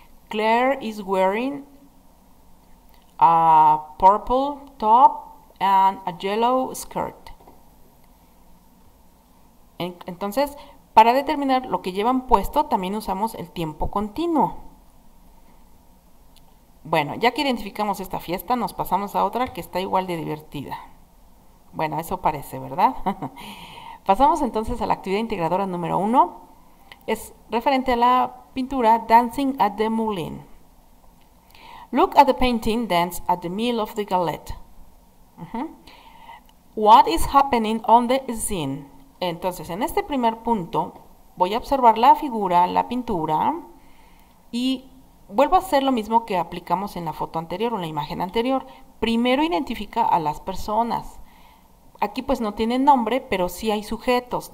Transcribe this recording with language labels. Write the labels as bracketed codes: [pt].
[en] Claire is wearing a purple top and a yellow skirt. [es] Entonces, para determinar lo que llevan puesto, también usamos el tiempo continuo. Bueno, ya que identificamos esta fiesta, nos pasamos a otra que está igual de divertida. Bueno, eso parece, ¿verdad? Pasamos entonces a la actividad integradora número uno. Es referente a la pintura Dancing at the Moulin. [en] Look at the painting Dance at the Mill of the Galette. What is happening on the scene? [es] Entonces, en este primer punto, voy a observar la figura, la pintura, y vuelvo a hacer lo mismo que aplicamos en la foto anterior o en la imagen anterior. Primero identifica a las personas. Aquí pues no tienen nombre, pero sí hay sujetos.